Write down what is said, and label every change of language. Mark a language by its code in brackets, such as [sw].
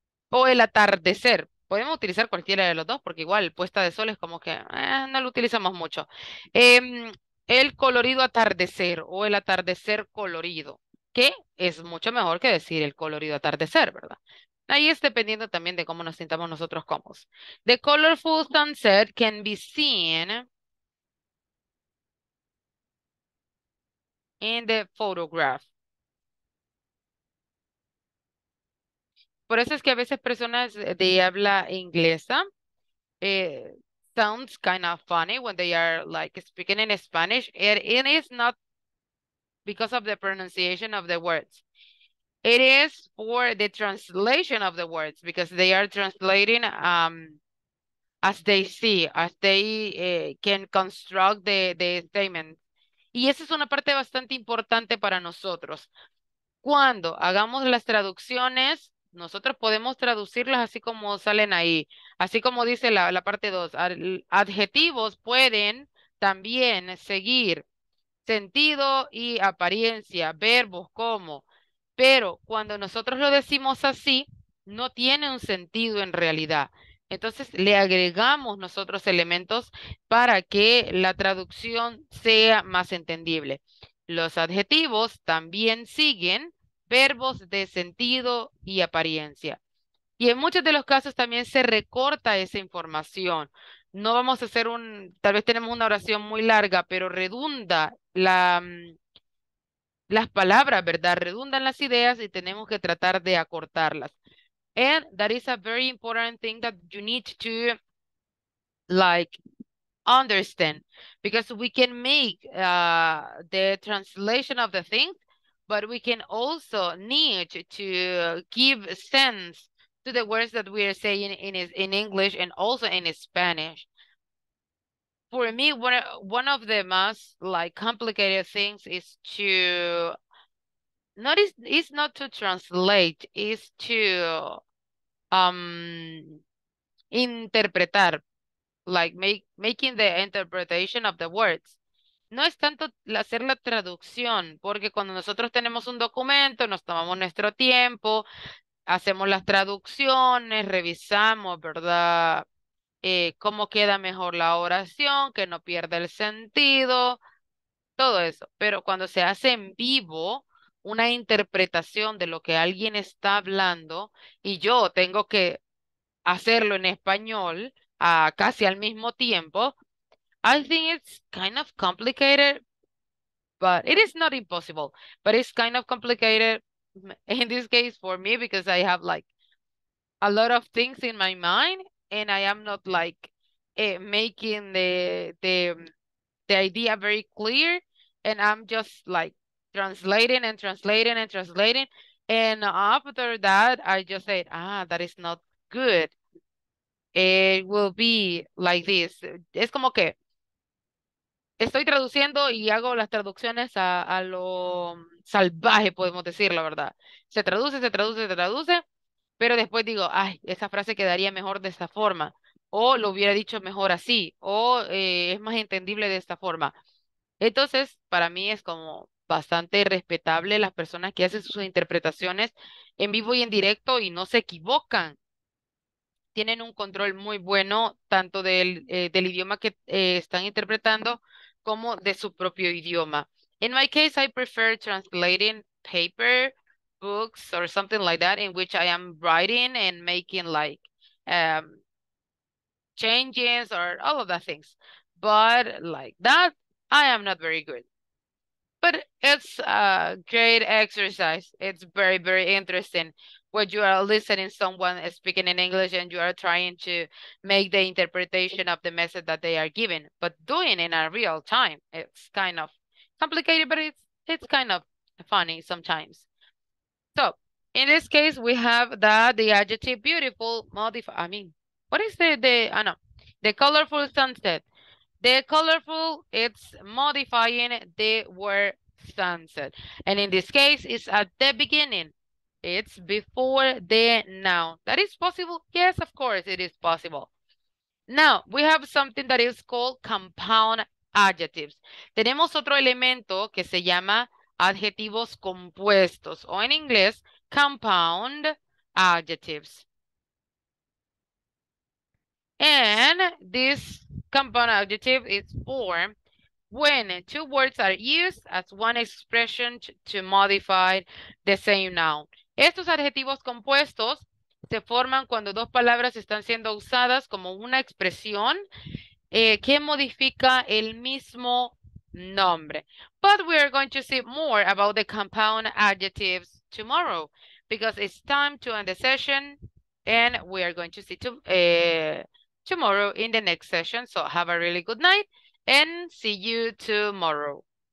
[es] O el atardecer. Podemos utilizar cualquiera de los dos porque igual puesta de sol es como que no lo utilizamos mucho. El colorido atardecer o el atardecer colorido. Que es mucho mejor que decir el colorido atardecer, ¿verdad? Ahí es dependiendo también de cómo nos sintamos nosotros cómodos. [en] The colorful sunset can be seen in the photograph. [es] Por eso es que a veces personas de habla inglesa [en] sounds kind of funny when they are like speaking in Spanish. It is not because of the pronunciation of the words. It is for the translation of the words because they are translating as they see, as they can construct the statement. [es] Y esa es una parte bastante importante para nosotros. Cuando hagamos las traducciones, nosotros podemos traducirlas así como salen ahí. Así como dice la parte 2, adjetivos pueden también seguir sentido y apariencia, verbos como. Pero cuando nosotros lo decimos así, no tiene un sentido en realidad. Entonces le agregamos nosotros elementos para que la traducción sea más entendible. Los adjetivos también siguen verbos de sentido y apariencia. Y en muchos de los casos también se recorta esa información. No vamos a hacer tal vez tenemos una oración muy larga, pero redunda las palabras, ¿verdad? Redundan las ideas y tenemos que tratar de acortarlas. [en] And that is a very important thing that you need to, like, understand. Because we can make the translation of the thing, but we can also need to give sense to the words that we are saying in English and also in Spanish. For me, one of the most like complicated things is to not is not to translate, is to interpretar, like making the interpretation of the words. [es] No es tanto hacer la traducción, porque cuando nosotros tenemos un documento, nos tomamos nuestro tiempo, hacemos las traducciones, revisamos, ¿verdad? Cómo queda mejor la oración, que no pierda el sentido, todo eso. Pero cuando se hace en vivo una interpretación de lo que alguien está hablando y yo tengo que hacerlo en español casi al mismo tiempo, [en] I think it's kind of complicated, but it is not impossible, but it's kind of complicated in this case for me because I have like a lot of things in my mind. And I am not like making the idea very clear. And I'm just like translating and translating and translating. And after that, I just said, that is not good. It will be like this. [es] Es como que estoy traduciendo y hago las traducciones a lo salvaje, podemos decir, la verdad. Se traduce, se traduce, se traduce. Pero después digo, esa frase quedaría mejor de esta forma, o lo hubiera dicho mejor así, o es más entendible de esta forma. Entonces, para mí es como bastante respetable las personas que hacen sus interpretaciones en vivo y en directo y no se equivocan. Tienen un control muy bueno, tanto del idioma que están interpretando, como de su propio idioma. [en] In my case, I prefer translating paper books or something like that, in which I am writing and making like changes or all of that things. But like that, I am not very good. But it's a great exercise. It's very, very interesting when you are listening to someone speaking in English and you are trying to make the interpretation of the message that they are giving, but doing it in a real time. It's kind of complicated, but it's kind of funny sometimes. So, in this case, we have the adjective beautiful modify. I mean, what is the colorful sunset. The colorful, it's modifying the word sunset. And in this case, it's at the beginning. It's before the noun. That is possible? Yes, of course, it is possible. Now, we have something that is called compound adjectives. [es] Tenemos otro elemento que se llama adjetivos compuestos, o en inglés, compound adjectives. [en] And this compound adjective is formed when two words are used as one expression to modify the same noun. [es] Estos adjetivos compuestos se forman cuando dos palabras están siendo usadas como una expresión que modifica el mismo nombre. [en] But we are going to see more about the compound adjectives tomorrow because it's time to end the session and we are going to see tomorrow in the next session. So have a really good night and see you tomorrow.